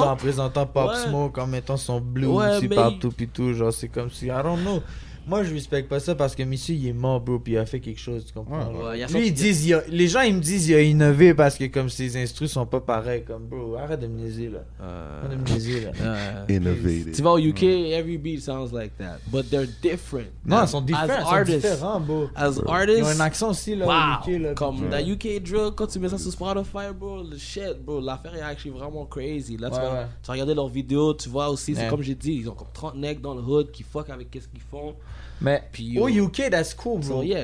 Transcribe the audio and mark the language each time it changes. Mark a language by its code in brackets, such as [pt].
[fr] Mais en présentant Pop Smoke, en mettant son blues aussi partout pis tout. Genre, c'est comme si, [en] I don't know. [fr] Moi, je respecte pas ça parce que monsieur, il est mort, bro, pis il a fait quelque chose, tu comprends? Les gens, ils me disent, il a innové parce que comme ses instrus sont pas pareils, comme, bro, arrête de me niaiser, là. [en] Innovative. [fr] Tu vois, au [en] UK, every beat sounds like that. But they're different. [fr] Non, ils sont différents. Ils sont différents, bro. [en] As artists. [fr] Ils ont un accent aussi, là, au UK, là. Comme, [en] that UK drill, [fr] quand tu mets ça sur Spotify, bro, le shit, bro, l'affaire est actually vraiment crazy. Là, tu vas regarder leurs vidéos, tu vois aussi, c'est comme j'ai dit, ils ont comme 30 necks dans le hood qui fuck avec qu'est-ce qu'ils font. Mais au [en] UK, that's cool, bro.